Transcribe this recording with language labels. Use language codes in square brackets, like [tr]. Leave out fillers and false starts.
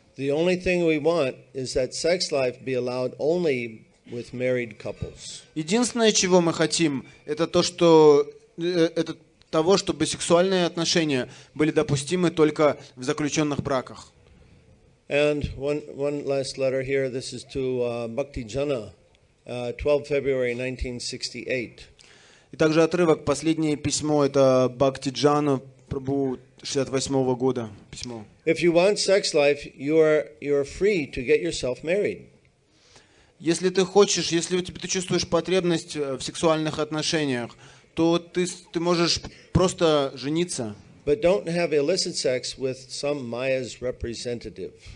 [en] The only thing we want is that sex life be allowed only with married couples. [ru] Единственное, чего мы хотим, это того, чтобы сексуальные отношения были допустимы только в заключенных браках. [en] And one last letter here. This is to Bhakti Jana, 12 February 1968. [ru] И также отрывок, последнее письмо, это Бхакти Джана, Прабу 68-го года, письмо. [en] If you want sex life, you are free to get yourself married. [ru] Если ты хочешь, если у тебя, ты чувствуешь потребность в сексуальных отношениях, то ты можешь просто жениться. [en] But don't have illicit sex with some Maya's representative.